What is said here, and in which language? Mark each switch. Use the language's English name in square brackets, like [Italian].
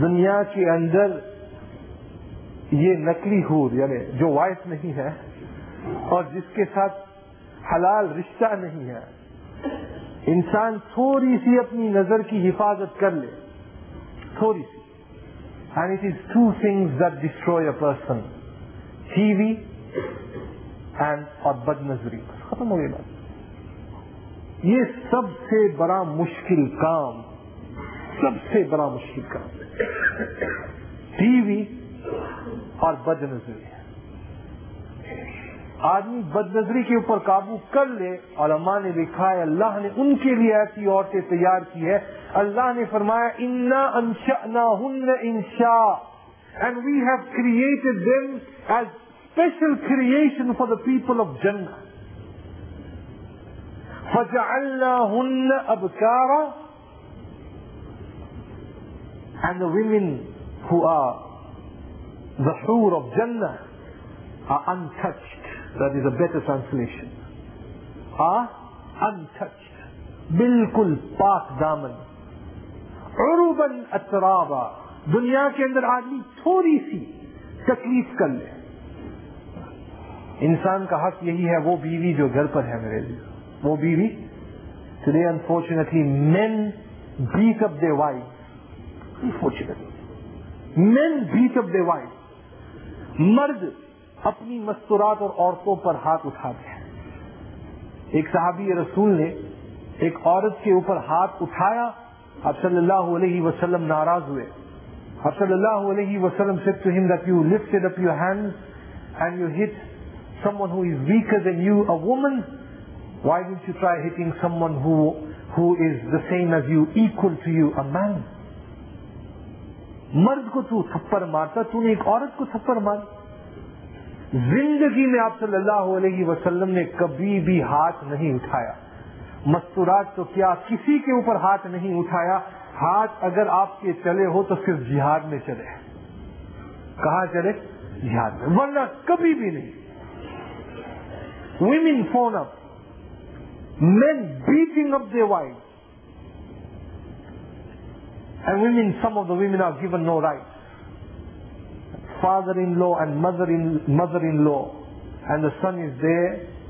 [Urdu] دنیا کے اندر یہ نکلی حور, یعنی جو وائف نہیں ہے اور جس کے ساتھ حلال رشتہ نہیں ہے, انسان تھوڑی سی اپنی نظر کی حفاظت کر لے, تھوڑی سی. [English] And it is two things that destroy a person, TV and [Urdu] اور بد نظری. ختم ہو گئی بات. یہ سب سے بڑا مشکل کام, سب سے بڑا مشکل کام ٹی وی اور بد نظری. آدمی بد نظری کے اوپر قابو کر لے. علماء نے لکھا ہے اللہ نے ان کے لیے ایسی عورتیں تیار کی ہے. اللہ نے فرمایا [Arabic] انا انشأناہن انشاء [English] and we have created them as special creation for the people of Jannah. [Arabic] فَجَعَلْنَاهُنَّ أَبْكَارًا [English] and the women who are the حور of Jannah are untouched. That is a better translation. Are untouched. [Urdu] بِلْكُلْ پاک دامن [Arabic] عُرُبًا أَتْرَابًا. [Urdu] دنیا کے اندر آدمی تھوڑی سی تکلیف کر لے, انسان کا حق یہی ہے. وہ بیوی جو گھر پر ہے میرے لئے, وہ بیوی. [English] Today unfortunately men beat up their wives. Unfortunately. Men beat up their wives. [Urdu] مرد اپنی مستورات اور عورتوں پر ہاتھ اٹھاتے ہیں. ایک صحابی رسول نے ایک عورت کے اوپر ہاتھ اٹھایا. آپ صلی اللہ علیہ وسلم ناراض ہوئے. [English] آپ صلی اللہ علیہ وسلم said to him that you lifted up your hands and you hit someone who is weaker than you, a woman, Why didn't you try hitting someone who is the same as you, equal to you, a man? [Urdu] مرد کو تو تھپر مارتا تو نے ایک عورت کو تھپر مار زندگی میں آپ صلی اللہ علیہ وسلم نے کبھی بھی ہاتھ نہیں اٹھایا مستورات تو کیا کسی کے اوپر ہاتھ نہیں اٹھایا ہاتھ اگر آپ کے چلے ہو تو صرف جہاد میں چلے کہاں چلے جہاد میں ورنہ کبھی بھی نہیں [English] Women phone up men beating up their wives And women, some of the women are given no rights. Father-in-law and mother-in-law and the son is there.